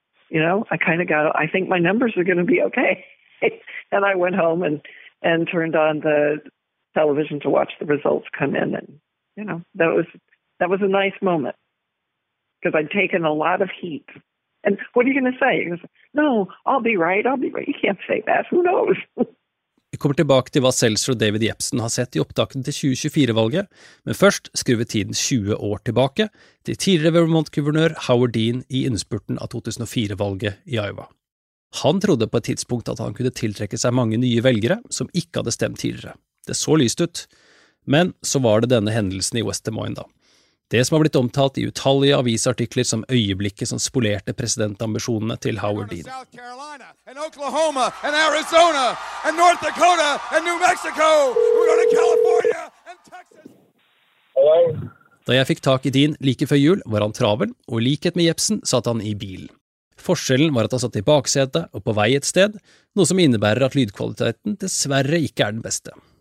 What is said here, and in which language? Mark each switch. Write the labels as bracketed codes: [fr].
[en] You know, I kind of got, I think my numbers are going to be okay. And I went home and turned on the television to watch the results come in. And, you know, that was a nice moment because I'd taken a lot of heat. And what are you going to say? No, I'll be right. I'll be right. You can't say that. Who knows? [no] Vi kommer tilbake til hva Seltzer og David Jepsen har sett I opptakten til 2024-valget, men først skrur vi tiden 20 år tilbake til tidligere Vermont-guvernør Howard Dean I innspurten av 2004-valget I Iowa. Han trodde på et tidspunkt at han kunne tiltrekke seg mange nye velgere som ikke hadde stemt tidligere. Det så lyst ut, men så var det denne hendelsen I West Des Moines da. Det som har blitt omtalt I utallige avisartikler som øyeblikket som spolerte presidentambisjonene til Howard Dean. [en] South Carolina, and Oklahoma, and Arizona, and North Dakota, and New Mexico. We're going to California and Texas. Hello. [no] Da jeg fikk tak I Dean like før jul, var han travel, og I likhet med Jepsen satt han I bil. Forskjellen var at han satt I baksetet og på vei et sted, noe som innebærer at lydkvaliteten dessverre ikke den beste.